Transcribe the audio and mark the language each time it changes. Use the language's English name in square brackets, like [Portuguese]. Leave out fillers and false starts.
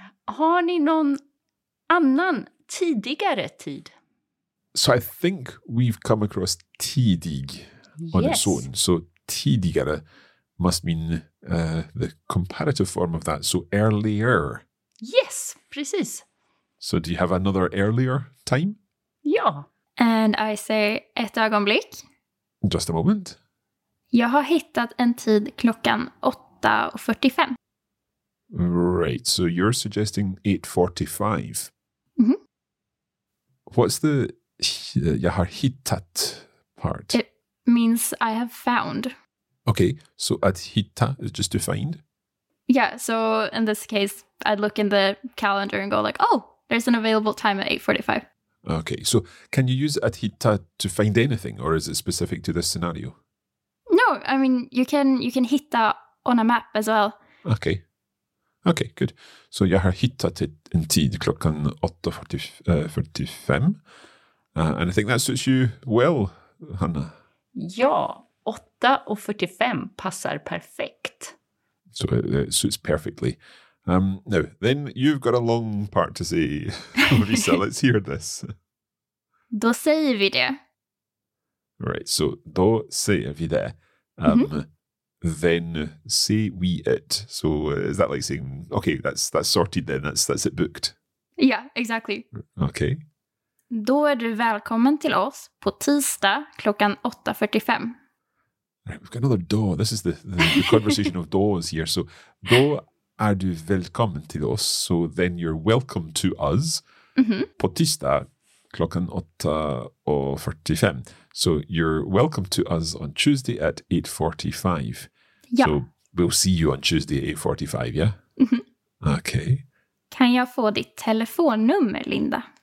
[Swedish] Har ni någon annan tidigare tid? [English] So, I think we've come across tidig on its own. So, tidigare must mean the comparative form of that, so earlier. [Swedish] Yes, precis. [English] So do you have another earlier time? [Swedish] Ja. [English] And I say, [Swedish] ett ögonblick. [English] Just a moment. [Swedish] Jag har hittat en tid klockan 8.45. [English] Right. So you're suggesting 8:45. Mm-hmm. What's the [Swedish] jag har hittat [English] part? It means I have found. Okay. So att hitta is just to find? Yeah. So in this case, I'd look in the calendar and go like, oh, there's an available time at 8:45. Okay. So can you use att hitta to find anything, or is it specific to this scenario? No. I mean, you can hitta on a map as well. Okay. Okay, good. [Swedish] So jag har hittat en tid klockan 8:45. [English] And I think that suits you well, Hanna. [Swedish] Ja, 8:45 passar perfekt. [English] So it suits perfectly. Now, then you've got a long part to say, Lisa. Let's hear this. [Swedish] Då säger vi det. [English] Right, so [Swedish] då säger vi det. [English] Then say we it. So is that like saying, okay, that's sorted then, that's it booked? Yeah, exactly. Okay. [Swedish] Då är du välkommen till oss på tisdag klockan 8:45. [English] Right, we've got another då. This is the conversation of då's here. [Swedish] So då är du välkommen till oss. [English] So then you're welcome to us [Swedish] på tisdag klockan 8:45. [English] So you're welcome to us on Tuesday at 8:45. Yeah. So we'll see you on Tuesday at 8:45, yeah? Okay. [Swedish] Kan jag få ditt telefonnummer, Linda?